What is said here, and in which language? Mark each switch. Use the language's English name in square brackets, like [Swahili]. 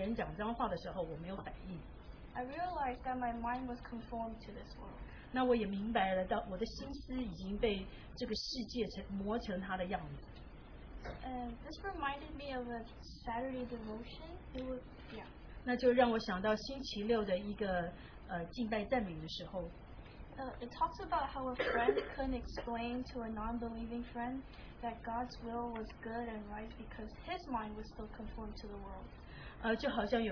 [Chinese] 那我个人呢，对于人家讲脏话的反应已经是麻木了，所以当我听到别人讲脏话的时候，我没有反应。 [English] I realized that my mind was conformed to this world. [Chinese] 那我也明白了，到我的心思已经被这个世界磨成它的样子。 [English] This reminded me of a Saturday devotion. It was, yeah. [Chinese] 那就让我想到星期六的一个敬拜赞美的时候。 [English] It talks about how a friend couldn't explain to a non-believing friend that God's will was good and right because his mind was still conformed to the world.